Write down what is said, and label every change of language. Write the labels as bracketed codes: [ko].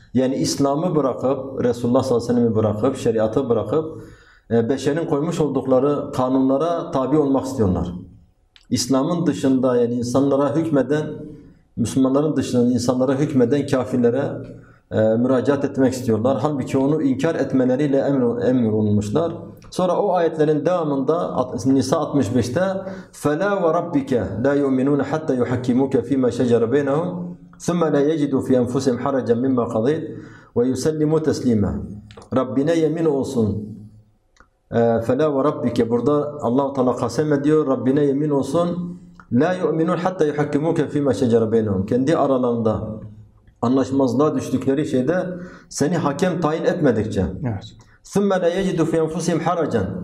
[tr] Yani İslam'ı bırakıp, Resulullah sallallahu aleyhi ve sellem'i bırakıp, şeriatı bırakıp, beşerin koymuş oldukları kanunlara tabi olmak istiyorlar. İslam'ın dışında yani insanlara hükmeden, Müslümanların dışında insanlara hükmeden kafirlere müracaat etmek istiyorlar. Halbuki onu inkar etmeleriyle emrolunmuşlar. Sonra o ayetlerin devamında Nisa 65'te [ar] فَلَا وَرَبِّكَ لَا يُؤْمِنُونَ حَتَّى يُحَكِّمُوكَ فِي مَا شَجَرَ بَيْنَهُمْ ثُمَّ لَا يَجِدُوا فِي أَنْفُسِهِمْ حَرَجًا مِمَّا قَضَيْتْ وَيُسَلِّمُوا تَسْلِيمًا. [tr] Rabbine yemin olsun. [ar] فَلَا وَرَبِّكَ, [tr] burada Allah-u Teala kasem ediyor, Rabbine yemin olsun. [ar] لَا يُؤْمِنُونَ حَتَّى يُحَكِّمُوكَ فِي مَا شَجَرَ بَيْنَهُمْ. [tr] Kendi aralarında anlaşmazlığa düştükleri şeyde seni hakem tayin etmedikçe. Evet. [ar] ثُمَّ لَا يَجِدُوا فِي أَنْفُسِهِمْ حَرَجًا.